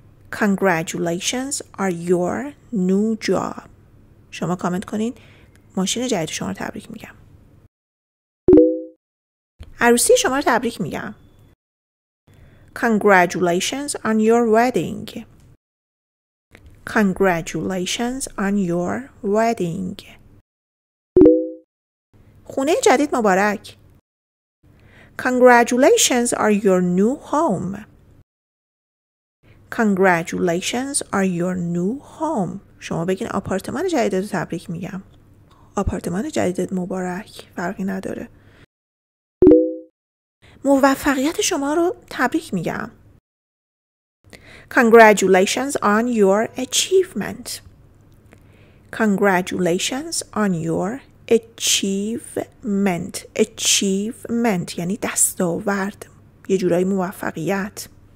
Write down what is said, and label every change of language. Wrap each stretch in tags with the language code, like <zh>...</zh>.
<en>Congratulations are your new job.</en> <fa>شما کامنت کنین ماشین جدید شما رو تبریک میگم. عروسی شما رو تبریک میگم.</fa> <en>Congratulations on your wedding. Congratulations on your wedding.</en> <fa>خونه جدید مبارک.</fa> <en>Congratulations are your new home. Congratulations are your new home.</en> <fa>شما بگین آپارتمان جدیدت رو تبریک میگم. آپارتمان جدیدت مبارک. فرقی نداره. موفقیت شما رو تبریک میگم.</fa> <en>Congratulations on your achievement. Congratulations on your achievement.</en> <fa>Achievement یعنی دستاورد، یه جورایی موفقیت.</fa>